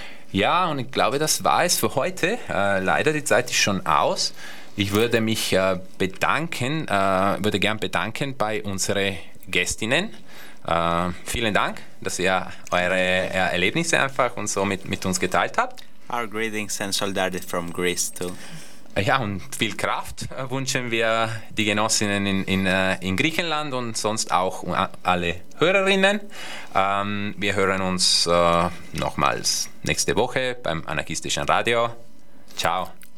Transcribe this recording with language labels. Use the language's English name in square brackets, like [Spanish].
[German] Ja, und ich glaube, das war es für heute. Leider, die Zeit ist schon aus. Ich würde mich bedanken, würde gern bedanken bei unseren Gästinnen. Vielen Dank, dass ihr eure Erlebnisse einfach und so mit uns geteilt habt. [English] Our greetings and solidarity from Greece too. [German] Ja, und viel Kraft wünschen wir die Genossinnen in Griechenland und sonst auch alle Hörerinnen. Wir hören uns nochmals nächste Woche beim Anarchistischen Radio. Ciao.